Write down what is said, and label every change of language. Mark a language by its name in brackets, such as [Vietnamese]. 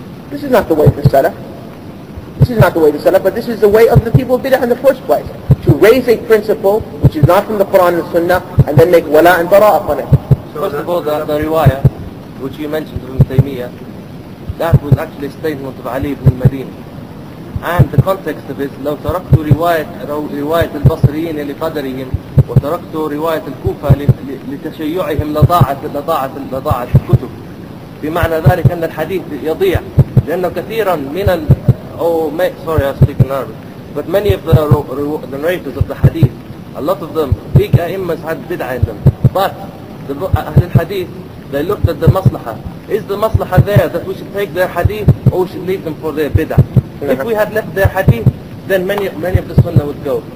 [English] This is not the way of the Salaf. This is not the way of the Salaf, but this is the way of the people of bid'ah in the first place. To raise a principle which is not from the Quran and the Sunnah and then make wala and bara upon it. So first of all, the riwayah which you mentioned from Taymiyyah, that was actually a statement of Ali ibn al-Madin. And the context of it is, [Arabic] لو تركت رواية البصريين لقدرهم وتركت رواية الكوفة لتشيعهم لضاعت الكتب. بمعنى ذلك أن الحديث يضيع. لأنه كثيرا من ال... [English] sorry, I speak in Arabic. But many of the narrators of the hadith, a lot of them, big a'immas had bid'ah in them. But [Arabic] أهل الحديث, [English] they looked at the maslaha. Is the maslaha there that we should take their hadith or we should leave them for their bid'ah? If we had left their hadith, then many of the sunnah would go.